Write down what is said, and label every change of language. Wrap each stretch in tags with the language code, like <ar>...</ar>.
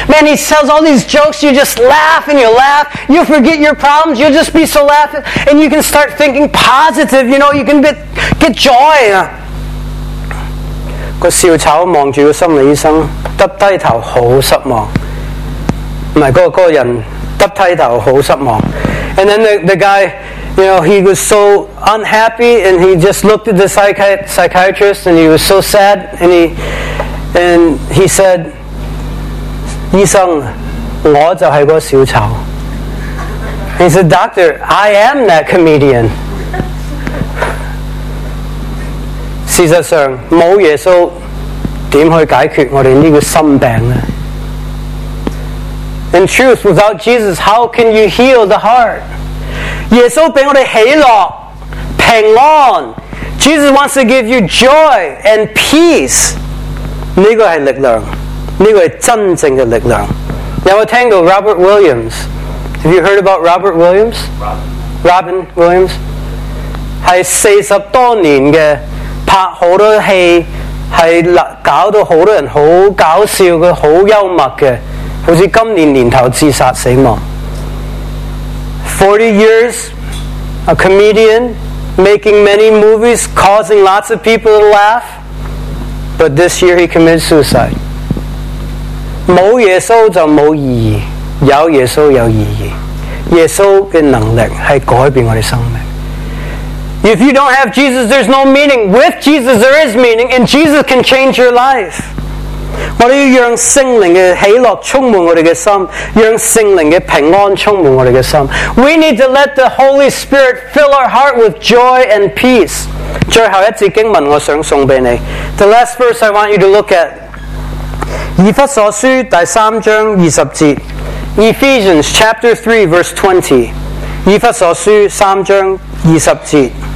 <en>Man, he tells all these jokes, you just laugh and you laugh. You forget your problems, you'll just be so laughing. And you can start thinking positive, you know, you can get joy.</en> <yue>个小丑望住个心理医生，耷低头好失望。唔系，个人耷低头好失望。</yue> <en>And then the guy, you know, he was so unhappy and he just looked at the psychiatrist and he was so sad and he said,</en> <yue>医生，我就是那个小丑。</yue> <en>He said, Doctor, I am that comedian.</en> <yue>事实上，没耶稣怎去解决我们这个心病呢？</yue> <en>In truth, without Jesus, how can you heal the heart?</en> <yue>耶稣给我们喜乐，平安。</yue> <en>Jesus wants to give you joy and peace.</en> <yue>这个是力量，这个是真正的力量。有没有听过</yue> <en>Robert Williams? Have you heard about Robert Williams? Robin Williams?</en> <yue>是四十多年的，拍很多戏，是搞到很多人很搞笑的，很幽默的，好像今年年头自杀死亡。</yue> <en>40 years, a comedian, making many movies, causing lots of people to laugh. But this year he committed suicide.</en> <yue>没耶稣就没意义，有耶稣有意义。耶稣的能力是改变我们的生命。</yue> <en>If you don't have Jesus, there's no meaning. With Jesus, there is meaning, and Jesus can change your life.</en> <yue>我们要让圣灵的喜乐充满我们的心，让圣灵的平安充满我们的心。</yue> <en>We need to let the Holy Spirit fill our heart with joy and peace.</en> <yue>最后一节经文我想送给你</yue> <en>The last verse I want you to look at</en> <yue>以弗所书第三章二十节</yue> <en>Ephesians chapter 3 verse 20</en> <yue>以弗所书三章二十节</yue>